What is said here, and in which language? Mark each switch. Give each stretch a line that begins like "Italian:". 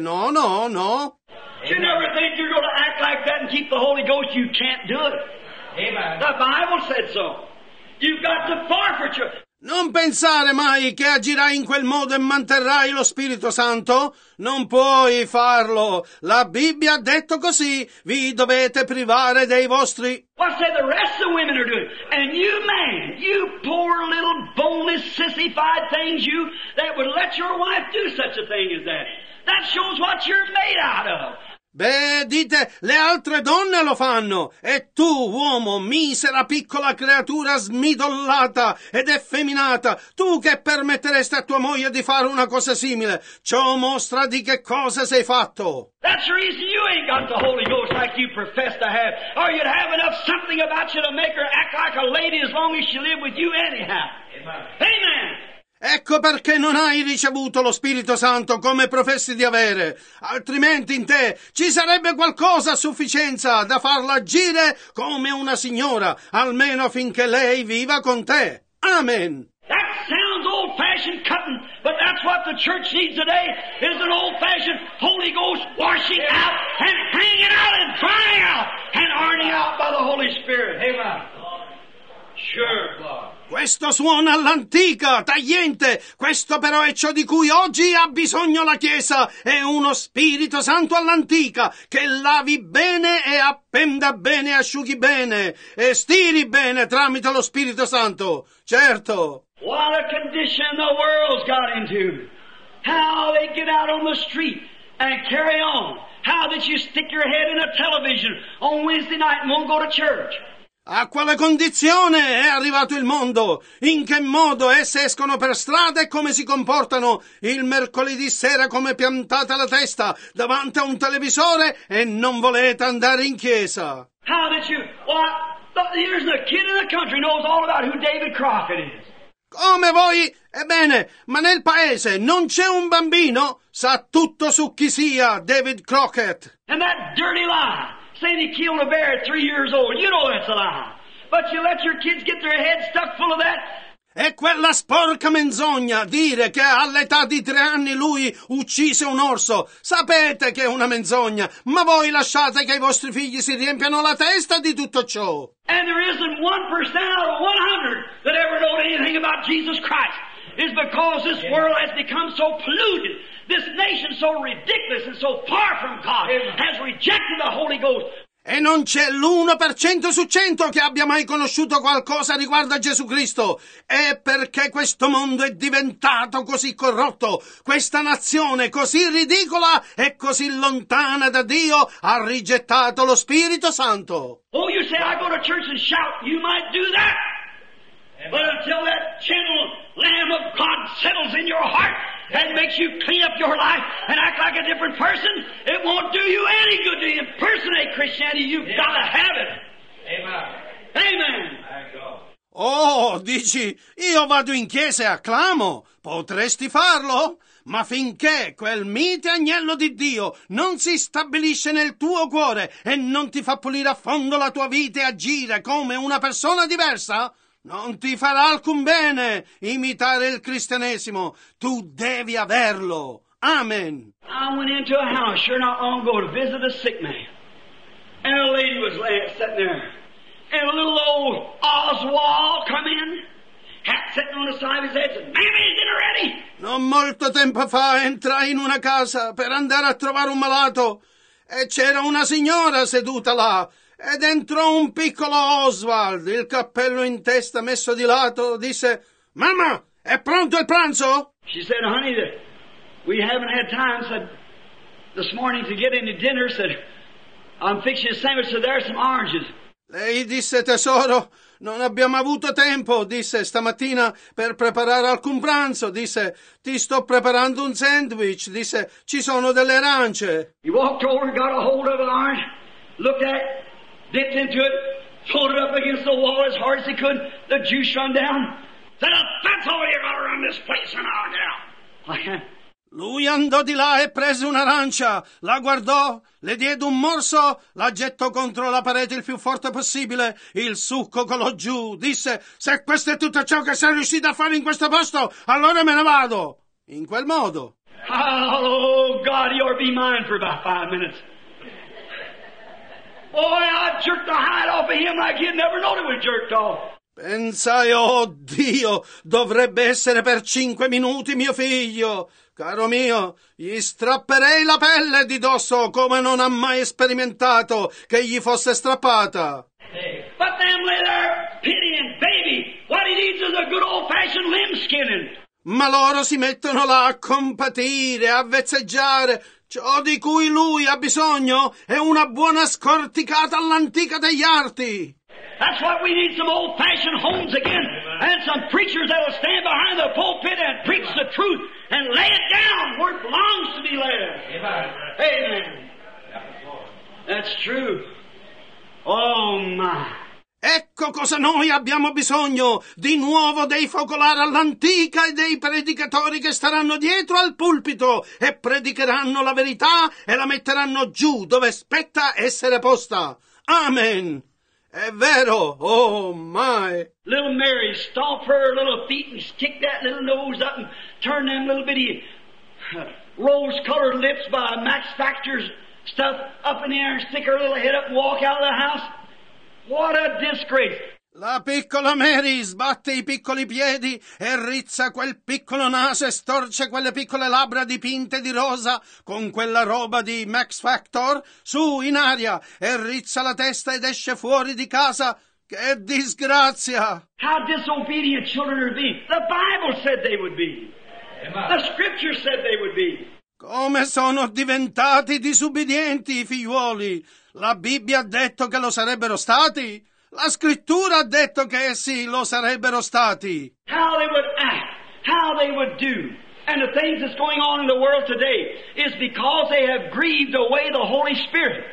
English: No, no, no. Amen. You never think you're going to act like that and keep the Holy Ghost? You can't do it. Amen. The Bible said so. You've got to forfeit your...
Italian: Non pensare mai che agirai in quel modo e manterrai lo Spirito Santo. Non puoi farlo. La Bibbia ha detto così. Vi dovete privare dei vostri.
English: What say the rest of the women are doing? And you man, you poor little boneless sissified things, you that would let your wife do such a thing as that. That shows what you're made out of.
Italian: Beh, dite, le altre donne lo fanno, e tu, uomo, misera piccola creatura smidollata ed effeminata, tu che permetteresti a tua moglie di fare una cosa simile? Ciò mostra di che cosa sei fatto.
English: That's the reason you ain't got the Holy Ghost like you profess to have, or you'd have enough something about you to make her act like a lady as long as she lived with you anyhow. Amen! Amen.
Italian: Ecco perché non hai ricevuto lo Spirito Santo come professi di avere. Altrimenti in te ci sarebbe qualcosa a sufficienza da farla agire come una signora, almeno finché lei viva con te. Amen.
English: That sounds old-fashioned cutting, but that's what the church needs today, is an old-fashioned Holy Ghost washing out and hanging out and drying out and ironing out by the Holy Spirit. Amen. Sure, God.
Italian: Questo suona all'antica, tagliente. Questo però è ciò di cui oggi ha bisogno la Chiesa. È uno Spirito Santo all'antica che lavi bene e appenda bene, asciughi bene e stiri bene tramite lo Spirito Santo. Certo.
English: What a condition the world's got into. How they get out on the street and carry on. How that you stick your head in a television on Wednesday night and won't go to church.
Italian: A quale condizione è arrivato il mondo? In che modo esse escono per strada e come si comportano il mercoledì sera come piantata la testa davanti a un televisore e non volete andare in chiesa?
English: How did you? Well, here's the kid in the country knows all about who David Crockett is.
Italian: Come voi? Ebbene, ma nel paese non c'è un bambino? Sa tutto su chi sia David Crockett.
English: And that dirty lie, saying he killed a bear at 3 years old. You know that's a lie. But you let your kids get their heads stuck full of that?
Italian: E quella sporca menzogna, dire che all'età di 3 anni lui uccise un orso. Sapete che è una menzogna, ma voi lasciate che i vostri figli si riempiano la testa di tutto ciò.
English: And there isn't 1% out of 100 that ever know anything about Jesus Christ. It's because this world has become so polluted. This nation so ridiculous and so far from God has rejected the Holy Ghost.
Italian: E non c'è l'1% su 100 che abbia mai conosciuto qualcosa riguardo a Gesù Cristo. È perché questo mondo è diventato così corrotto, questa nazione così ridicola e così lontana da Dio, ha rigettato lo Spirito Santo.
English: Oh, you say I go to church and shout, you might do that. But until that gentle Lamb of God settles in your heart and makes you clean up your life and act like a different person, it won't do you any good to impersonate Christianity. You've got to have it. Amen. Amen.
Italian: Oh, dici, io vado in chiesa e acclamo. Potresti farlo? Ma finché quel mite agnello di Dio non si stabilisce nel tuo cuore e non ti fa pulire a fondo la tua vita e agire come una persona diversa, non ti farà alcun bene imitare il cristianesimo. Tu devi averlo. Amen.
English: I went into a house sure not long ago to visit a sick man. And a lady was sitting there. And a little old Oswald come in. Hat sitting on the side of his head and said, Mammy, is dinner ready?
Italian: Non molto tempo fa entrai in una casa per andare a trovare un malato. E c'era una signora seduta là. Ed entrò un piccolo Oswald, il cappello in testa messo di lato, disse, Mamma, è pronto il pranzo?
English: She said, honey, we haven't had time, said, this morning to get any dinner, said, I'm fixing a sandwich, so there are some oranges.
Italian: Lei disse, tesoro, non abbiamo avuto tempo, disse, stamattina, per preparare alcun pranzo, disse, ti sto preparando un sandwich, disse, ci sono delle arance.
English: He walked over and got a hold of an orange, looked at it, dipped into it, pulled it up against the wall as hard as he could, the juice run down. Said, that's all you got around this place and I'll get out.
Italian: Lui andò di là e prese un'arancia, la guardò, le diede un morso, la gettò contro la parete il più forte possibile, il succo colò giù, disse, se questo è tutto ciò che sei riuscito a fare in questo posto, allora me ne vado. In quel modo.
English: Oh, God, you'll be mine for about 5 minutes. Boy, I jerked the hide off of him like he'd never known it was jerked off.
Italian: Pensai, oh Dio, dovrebbe essere per 5 minuti mio figlio. Caro mio, gli strapperei la pelle di dosso come non ha mai sperimentato che gli fosse strappata.
English: But them lay there pitying baby. What he needs is a good old-fashioned limb skinning.
Italian: Ma loro si mettono là a compatire, a vezzeggiare. Ciò di cui lui ha bisogno è una buona scorticata all'antica degli arti.
English: That's what we need, some old-fashioned homes again. And some preachers that will stand behind the pulpit and preach the truth and lay it down where it belongs to be laid. Amen. That's true. Oh, my.
Italian: Ecco cosa noi abbiamo bisogno. Di nuovo dei focolari all'antica e dei predicatori che staranno dietro al pulpito e predicheranno la verità e la metteranno giù dove spetta essere posta. Amen. È vero,
English: oh my. Little Mary, stomp her little feet and stick that little nose up and turn them little bitty rose-colored lips by Max Factor's stuff up in the air and stick her little head up and walk out of the house. What a disgrace.
Italian: La piccola Mary sbatte i piccoli piedi e rizza quel piccolo naso e storce quelle piccole labbra dipinte di rosa con quella roba di Max Factor su in aria e rizza la testa ed esce fuori di casa. Che disgrazia!
English: How disobedient children would be. The Bible said they would be. The Scripture said they would be.
Italian: Come sono diventati disubbidienti i figliuoli. La Bibbia ha detto che lo sarebbero stati. La Scrittura ha detto che essi lo sarebbero stati.
English: How they would act, how they would do, and the things that's going on in the world today is because they have grieved away the Holy Spirit.